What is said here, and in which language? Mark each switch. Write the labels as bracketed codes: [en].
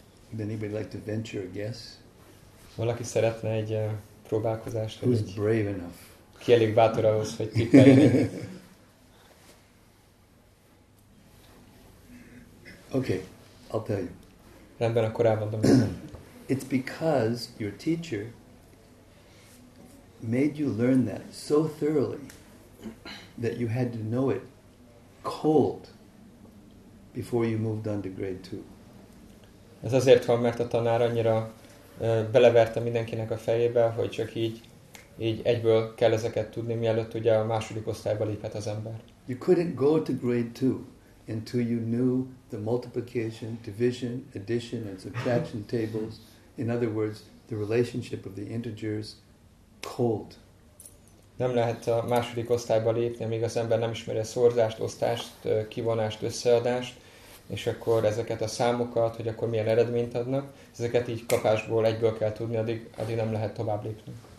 [en] Would anybody like to venture a guess? [hu] Valaki szeretne egy próbálkozást? [en] Who's brave enough? [hu] Ki elég bátor ahhoz, hogy tippeljen? [en] Okay, I'll tell you. [hu] Rendben, akkor elmondom. [en] It's because your teacher made you learn that so thoroughly that you had to know it cold before you moved on to grade 2. [hu] Ez azért van, mert a tanár annyira beleverte mindenkinek a fejébe, hogy csak így egyből kell ezeket tudni, mielőtt ugye a második osztályba léphet az ember. [en] You couldn't go to grade 2 until you knew the multiplication, division, addition and subtraction tables, in other words, the relationship of the integers cold. [hu] Nem lehet a második osztályba lépni, amíg az ember nem ismeri a szorzást, osztást, kivonást, összeadást, és akkor ezeket a számokat, hogy akkor milyen eredményt adnak, ezeket így kapásból egyből kell tudni, addig nem lehet tovább lépni.